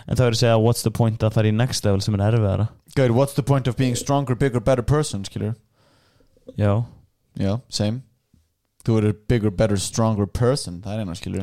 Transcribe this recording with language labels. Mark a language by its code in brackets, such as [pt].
[is] En þá verður að segja, [en] what's the point [is] að fara í next level sem er erfiðara? [en] Good, what's the point of being stronger, bigger, better person, [is] skilur? Já. Já, same. Þú verður [en] bigger, better, stronger person, [is] það er eina, skilur.